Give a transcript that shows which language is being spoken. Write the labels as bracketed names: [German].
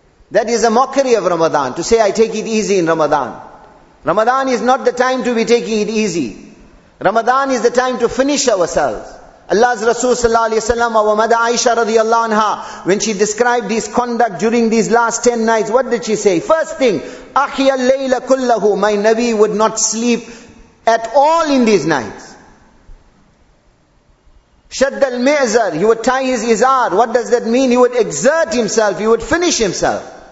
[English] That is a mockery of Ramadan, to say I take it easy in Ramadan. Ramadan is not the time to be taking it easy. Ramadan is the time to finish ourselves. Allah's Rasul sallallahu alayhi wa sallam, our mother Aisha radiallahu anha, when she described his conduct during these last 10 nights, what did she say? First thing, [Arabic] أَحْيَ اللَّيْلَ كُلَّهُ. [English] My Nabi would not sleep at all in these nights. [Arabic] شَدَّ الْمِعْزَرِ. [English] He would tie his izar. What does that mean? He would exert himself, he would finish himself.